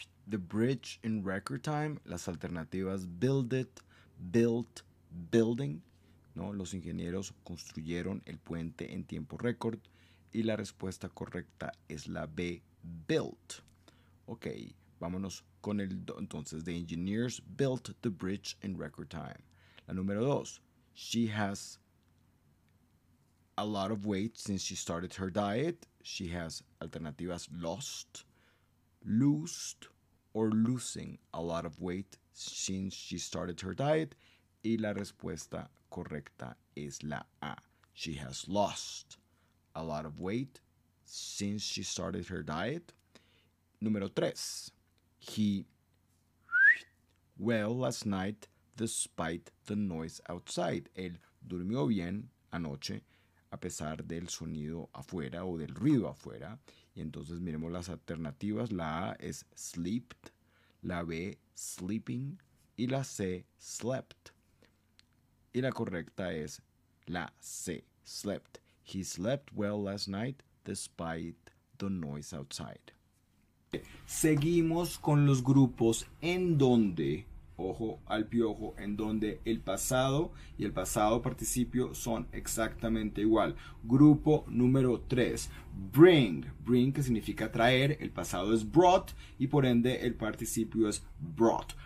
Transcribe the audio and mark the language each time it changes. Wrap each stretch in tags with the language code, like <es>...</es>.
<en>The Bridge in Record Time,</en> <es>las alternativas</es> <en>Build It, Built, Building, ¿no?</en> <es>Los ingenieros construyeron el puente en tiempo récord y la respuesta correcta es la B, Built. Ok, vámonos con el entonces.</es> <en>The engineers built the bridge in record time.</en> <es>La número dos,</es> <en>she has a lot of weight since she started her diet. She has alternativas lost, loosed, or losing a lot of weight since she started her diet.</en> <es>Y la respuesta correcta es la A.</es> <en>She has lost a lot of weight since she started her diet. Número tres, he well last night despite the noise outside.</en> <es>Él durmió bien anoche a pesar del sonido afuera o del ruido afuera. Y entonces miremos las alternativas. La A es slept, la B sleeping y la C slept. Y la correcta es la C, slept.</es> <en>He slept well last night despite the noise outside.</en> <es>Seguimos con los grupos en donde, ojo al piojo, en donde el pasado y el pasado participio son exactamente igual. Grupo número 3, bring. Bring que significa traer, el pasado es brought y por ende el participio es brought.</es>